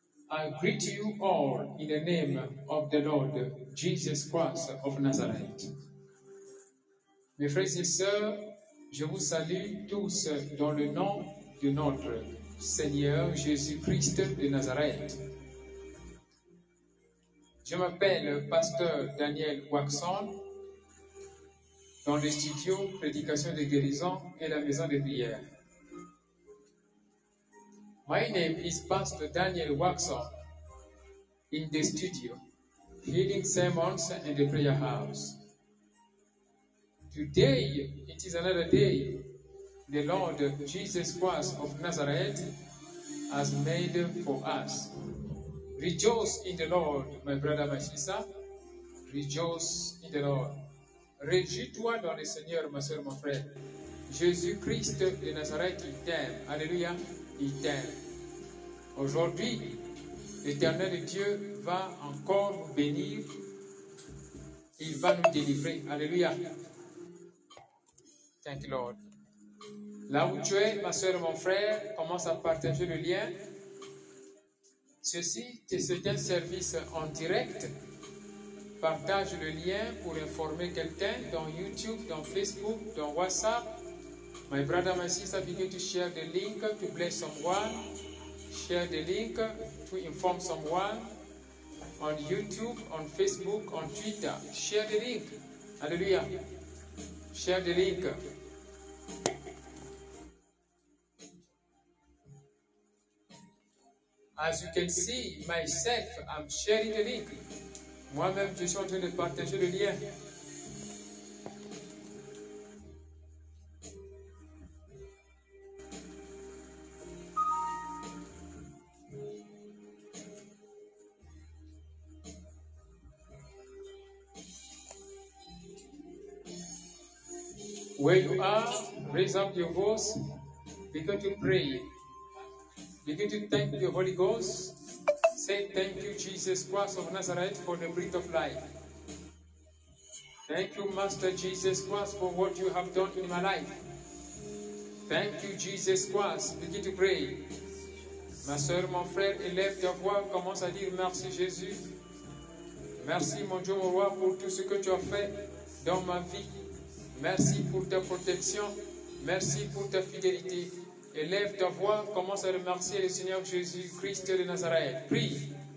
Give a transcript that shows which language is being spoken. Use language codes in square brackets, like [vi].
[en] I greet you all in the name of the Lord Jesus Christ of Nazareth. [fr] Mes frères et sœurs, je vous salue tous dans le nom de notre Seigneur Jésus-Christ de Nazareth. Je m'appelle Pasteur Daniel Waxon, dans le studio Prédication des guérisons et la maison de prière. [en] My name is Pastor Daniel Waxon in the studio, Healing Sermons and the Prayer House. Today, it is another day the Lord Jesus Christ of Nazareth has made for us. Rejoice in the Lord, my brother, my sister. Rejoice in the Lord. [fr] Réjouis-toi dans le Seigneur, ma soeur, mon frère. Jésus-Christ de Nazareth, il t'aime. Alléluia, il t'aime. Aujourd'hui, l'Éternel Dieu va encore nous bénir. Il va nous délivrer. Alléluia. [en] Thank you, Lord. [fr] Là où tu es, ma soeur, mon frère, commence à partager le lien. Ceci, c'est un service en direct. Partage le lien pour informer quelqu'un dans YouTube, dans Facebook, dans WhatsApp. [en] My brother, my sister, begin to share the link to bless someone. Share the link to inform someone on YouTube, on Facebook, on Twitter. Share the link. Alléluia. Share the link. As you can see, myself, I'm sharing the link. [fr] Moi-même, je suis en train de partager le lien. [en] Where you are, raise up your voice, begin to pray. Begin to thank the Holy Ghost. Say thank you, Jesus Christ of Nazareth, for the breath of life. Thank you, Master Jesus Christ, for what you have done in my life. Thank you, Jesus Christ. Begin to pray. [fr] Ma soeur, mon frère, élève ta voix, commence à dire merci, Jésus. Merci, mon Dieu, mon roi, pour tout ce que tu as fait dans ma vie. Merci pour ta protection. Merci pour ta fidélité. Élève ta voix, commence à remercier le Seigneur Jésus-Christ de Nazareth. Prie.